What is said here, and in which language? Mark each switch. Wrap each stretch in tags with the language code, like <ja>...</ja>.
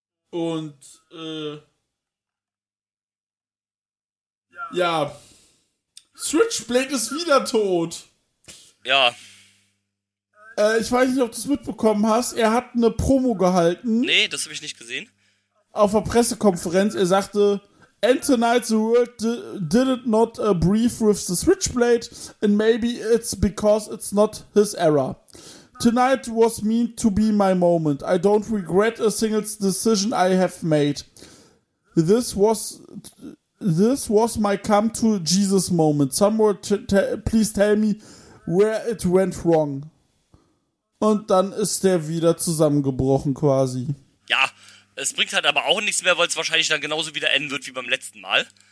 <de>Und ja. Switchblade ist wieder tot. Ja. Ich weiß nicht, ob du es mitbekommen hast. Er hat eine Promo gehalten. Nee, das habe ich nicht gesehen. Auf einer Pressekonferenz. Er sagte,</de> <en>and tonight the world did not brief with the Switchblade and maybe it's because it's not his era. Tonight was meant to be my moment. I don't regret a single decision I have made. This was my come to Jesus moment. Someone please tell me where it went wrong.</en> <de>Und dann ist der wieder zusammengebrochen quasi. Ja, es bringt halt aber auch nichts mehr, weil es wahrscheinlich dann genauso wieder enden wird wie beim letzten Mal.</de>